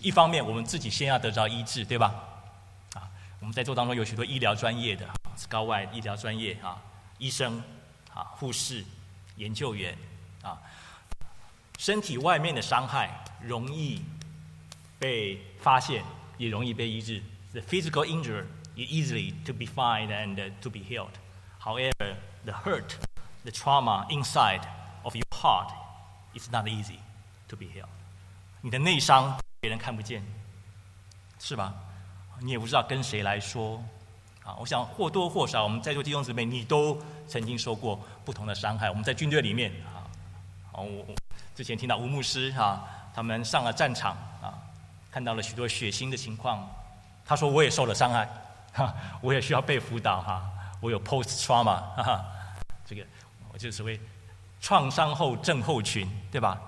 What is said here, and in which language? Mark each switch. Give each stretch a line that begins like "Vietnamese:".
Chinese: 一方面，我们自己先要得着医治，对吧？我们在座当中有许多医疗专业的，是高外医疗专业啊，医生啊、护士、研究员啊，身体外面的伤害容易被发现，也容易被医治。
English: The physical injury is easily to be found and to be healed. However, the hurt, the trauma inside of your heart is not easy to be healed.
Chinese: 你的内伤别人看不见，是吧？你也不知道跟谁来说。我想或多或少，我们在座弟兄姊妹，你都曾经受过不同的伤害。我们在军队里面，之前听到吴牧师哈、他们上了战场啊，看到了许多血腥的情况，他说我也受了伤害，我也需要被辅导哈、我有 post trauma， 这个我就是所谓创伤后症候群，对吧？